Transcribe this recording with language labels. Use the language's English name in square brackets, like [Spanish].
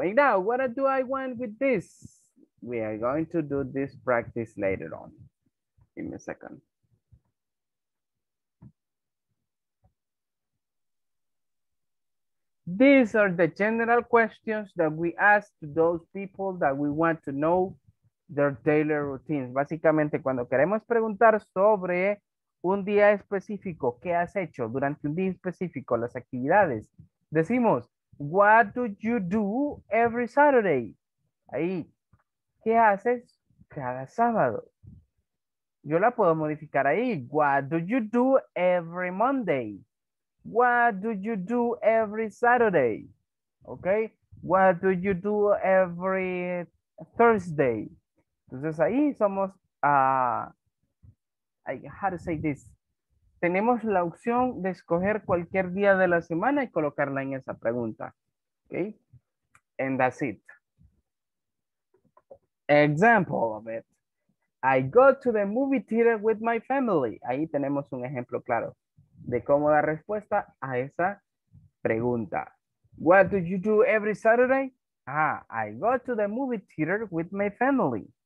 [English] And now, what do I want with this? We are going to do this practice later on. Give me a second. These are the general questions that we ask to those people that we want to know their daily routines. [Spanish] Básicamente, cuando queremos preguntar sobre un día específico, ¿qué has hecho durante un día específico? Las actividades. Decimos, [English] what do you do every Saturday? [Spanish] Ahí, ¿qué haces cada sábado? Yo la puedo modificar ahí. [English] What do you do every Monday? What do you do every Saturday? Okay. What do you do every Thursday? [Spanish] Entonces ahí somos, [English] how to say this? [Spanish] Tenemos la opción de escoger cualquier día de la semana y colocarla en esa pregunta. [English] Okay. And that's it. Example of it. I go to the movie theater with my family. [Spanish] Ahí tenemos un ejemplo claro de cómo dar respuesta a esa pregunta. [English] What do you do every Saturday? I go to the movie theater with my family.